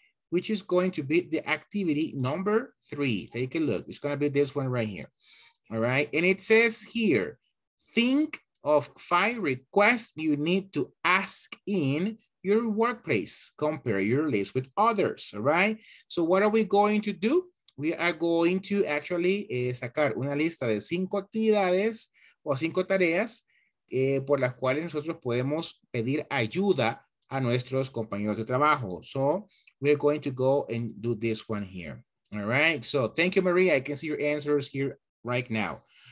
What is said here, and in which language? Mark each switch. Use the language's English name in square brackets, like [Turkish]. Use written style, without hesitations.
[English] Which is going to be the activity number 3. Take a look, it's gonna be this one right here. All right, and it says here, think of 5 requests you need to ask in your workplace. Compare your list with others, all right? So what are we going to do? We are going to actually [Spanish] sacar una lista de 5 actividades o 5 tareas por las cuales nosotros podemos pedir ayuda a nuestros compañeros de trabajo. [English] So we're going to go and do this one here, all right? So thank you, Maria. I can see your answers here right now.